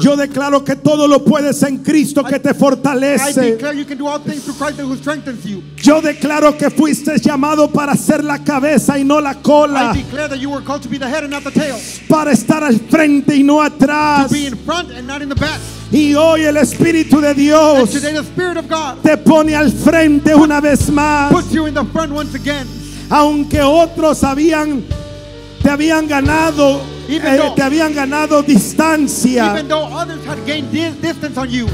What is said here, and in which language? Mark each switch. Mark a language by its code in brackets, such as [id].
[es] Yo declaro que todo lo puedes en Cristo que te fortalece. [en] I declare you can do all things through Christ who strengthens you. [es] Yo declaro que fuiste llamado para ser la cabeza y no la cola. [en] I declare that you were called to be the head and not the tail. [es] Para estar al frente y no atrás. [en] To be in front and not in the back. [es] Y hoy el Espíritu de Dios te pone al frente una vez más. [en] Puts you in the front once again. [es] Aunque otros habían te habían ganado te habían ganado distancia. [en] Even though others had gained distance on you.